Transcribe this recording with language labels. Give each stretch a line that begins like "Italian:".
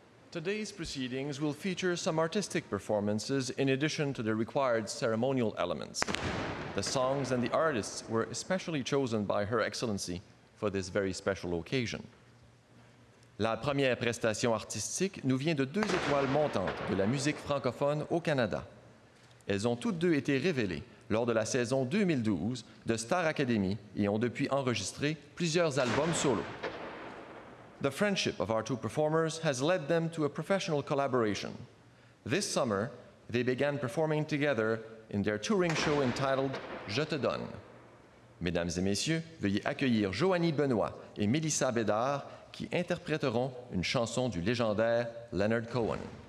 English: Today's proceedings will feature some artistic performances in addition to the required ceremonial elements. The songs and the artists were especially chosen by Her Excellency for this very special occasion.
French: La première prestation artistique nous vient de deux étoiles montantes de la musique francophone au Canada. Elles ont toutes deux été révélées lors de la saison 2012 de Star Academy et ont depuis enregistré plusieurs albums solo.
English: The friendship of our two performers has led them to a professional collaboration. This summer, they began performing together in their touring show entitled Je te donne.
French: Mesdames et messieurs, veuillez accueillir Joanie Benoit et Mélissa Bédard qui interpréteront une chanson du légendaire Leonard Cohen.